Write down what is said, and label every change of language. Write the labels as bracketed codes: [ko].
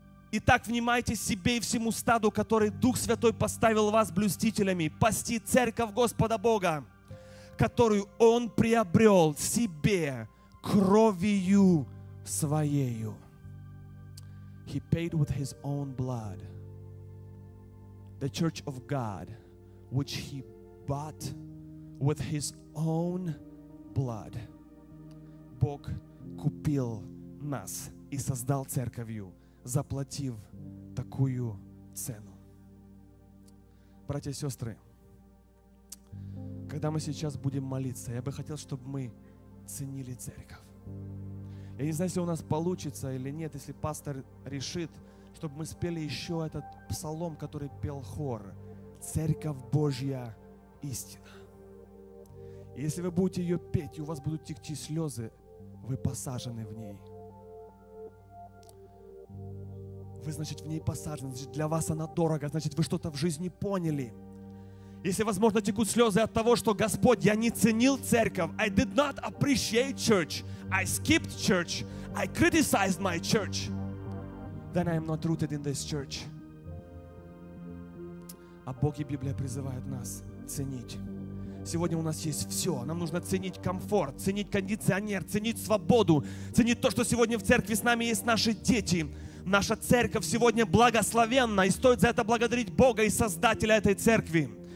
[ru] Итак, внимайте себе и всему стаду, который Дух Святой поставил вас блюстителями, пасти церковь Господа Бога, которую Он приобрел себе кровью Своею. [en] He paid with His own blood the church of God, which He bought with His own blood. [ru] Бог купил нас и создал церковью, заплатив такую цену. Братья и сестры, когда мы сейчас будем молиться, я бы хотел, чтобы мы ценили церковь. Я не знаю, если у нас получится или нет, если пастор решит, чтобы мы спели еще этот псалом, который пел хор. Церковь Божья истина. И если вы будете ее петь, и у вас будут текти слезы, вы посажены в ней. Вы, значит, в ней посажены, значит, для вас она дорога, значит, вы что-то в жизни поняли. Если, возможно, текут слезы от того, что: Господь, я не ценил церковь. [en] I did not appreciate church. I skipped church. I criticized my church. Then I am not rooted in this church. [ru] А Бог и Библия призывают нас ценить. Сегодня у нас есть все. Нам нужно ценить комфорт, ценить кондиционер, ценить свободу, ценить то, что сегодня в церкви с нами есть наши дети. Наша церковь сегодня благословенна, и стоит за это благодарить Бога и Создателя этой церкви.